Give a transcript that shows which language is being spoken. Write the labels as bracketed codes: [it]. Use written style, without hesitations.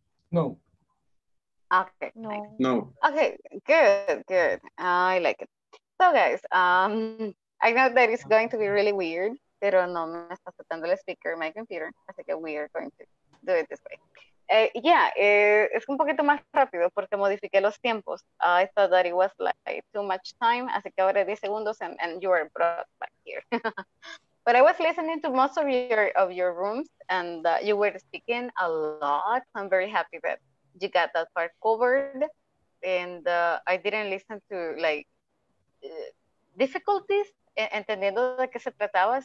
[en] No. Okay. No. Okay, good. I like it. So guys, I know that it's going to be really weird, [es] pero no me está aceptando el speaker, [en] my computer, [es] así que [en] we are going to do it this way. [es] Es un poquito más rápido porque modifiqué los tiempos. [en] I thought that it was like too much time, [es] así que ahora 10 segundos [en] and you are brought back here. But I was listening to most of your rooms, and you were speaking a lot. I'm very happy that you got that part covered. And I didn't listen to like difficulties [es] entendiendo de qué se trataba.